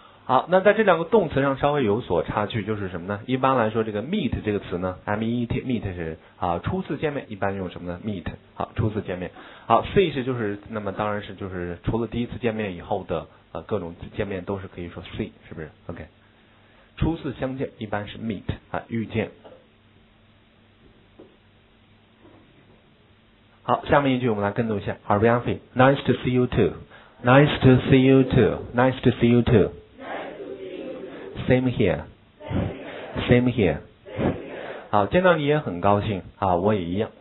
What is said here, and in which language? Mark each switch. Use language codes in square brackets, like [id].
[zh] 好，那在这两个动词上稍微有所差距，就是什么呢？一般来说，这个 meet 这个词呢 ，meet meet 是啊初次见面，一般用什么呢 ？meet 好，初次见面。好 ，see 是就是那么当然是就是除了第一次见面以后的各种见面都是可以说 see 是不是 ？OK， 初次相见一般是 meet 啊遇见。好，下面一句我们来跟读一下 ， [en] Arianfi， nice to see you too， [zh] nice to see you too， nice to see you too。 [en] Same here. Same here. [zh] 好，见到你也很高兴啊，我也一样。